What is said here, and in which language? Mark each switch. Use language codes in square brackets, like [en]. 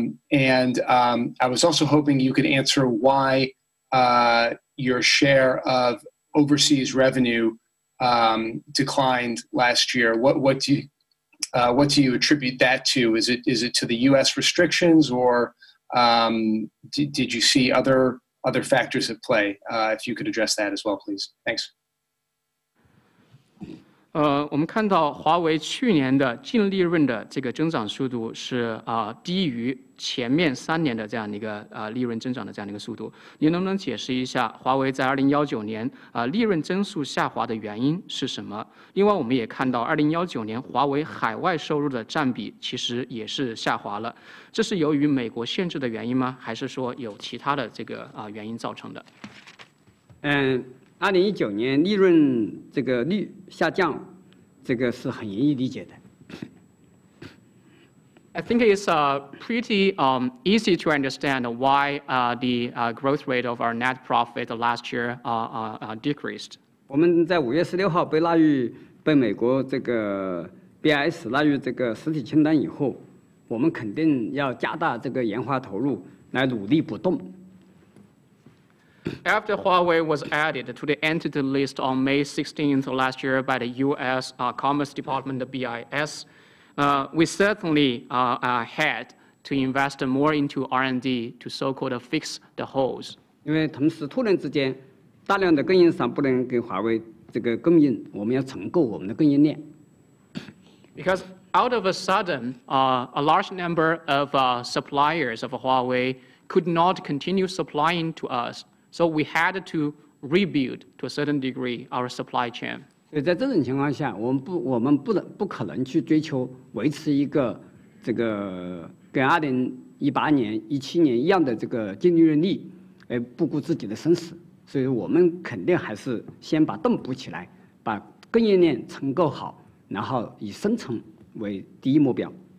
[en] I was also hoping you could answer why your share of overseas revenue declined last year. What do you attribute that to? Is it to the U.S. restrictions, or did you see other factors at play? If you could address that as well, please. Thanks. [zh] 我们看到华为去年的净利润的这个增长速度是低于前面三年的这样一个利润增长的这样一个速度。您能不能解释一下华为在2019年利润增速下滑的原因是什么？另外，我们也看到2019年华为海外收入的占比其实也是下滑了，这是由于美国限制的原因吗？还是说有其他的这个原因造成的？ 2019年利润这个率下降，这个是很容易理解的。 [en] I think it's pretty easy to understand why growth rate of our net profit last year decreased. [zh] 我们在5月16号被美国这个 B BIS 纳入这个实体清单以后，我们肯定要加大这个研发投入来努力不动。 [en] After Huawei was added to the entity list on May 16th last year by the U.S. Commerce Department, the BIS, we certainly had to invest more into R&D to so-called fix the holes. [zh] 因为同时突然之间，大量的供应商不能给华为这个供应，我们要重构我们的供应链。 [en] Because out of a sudden, a large number of suppliers of Huawei could not continue supplying to us. So we had to rebuild, to a certain degree, our supply chain. [zh] 所以在这种情况下，我们不可能去追求维持一个这个跟2018年、2017年一样的这个净利润率，而不顾自己的生死。所以我们肯定还是先把洞补起来，把供应链重构好，然后以生存为第一目标。